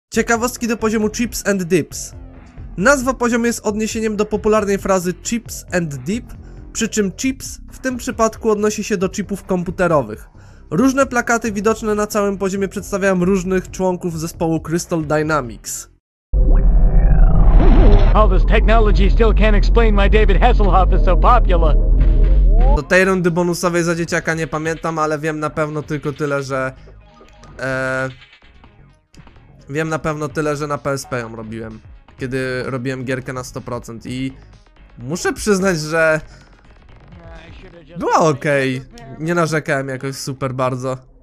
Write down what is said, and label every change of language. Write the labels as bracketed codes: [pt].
[pl] Ciekawostki do poziomu Chips and Dips. Nazwa poziomu jest odniesieniem do popularnej frazy Chips and Dip, przy czym chips w tym przypadku odnosi się do chipów komputerowych. Różne plakaty widoczne na całym poziomie przedstawiają różnych członków zespołu Crystal Dynamics. [en] All this technology still can't explain why David Hasselhoff is so popular. [pl] Do tej rundy bonusowej za dzieciaka nie pamiętam, ale wiem na pewno tylko tyle, że... Wiem na pewno tyle, że na PSP ją robiłem, kiedy robiłem gierkę na 100% i muszę przyznać, że była okej, nie narzekałem jakoś super bardzo.